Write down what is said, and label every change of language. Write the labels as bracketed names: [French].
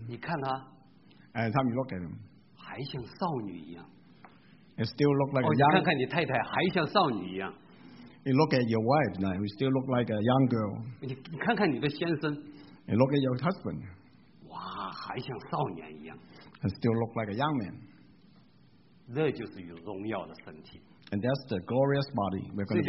[Chinese] 你看他, [English] every time you look at him, [Chinese] 还像少女一样, [English] it still look like a young, [Chinese] 你看看你太太还像少女一样, [English] you look at your wife now, you still look like a young girl, [Chinese] 你看看你的先生, [English] you look at your husband, [Chinese] 哇, 还像少年一样, [English] and still look like a young man. [Chinese] 这就是有荣耀的身体, [English] and that's the glorious body we're going to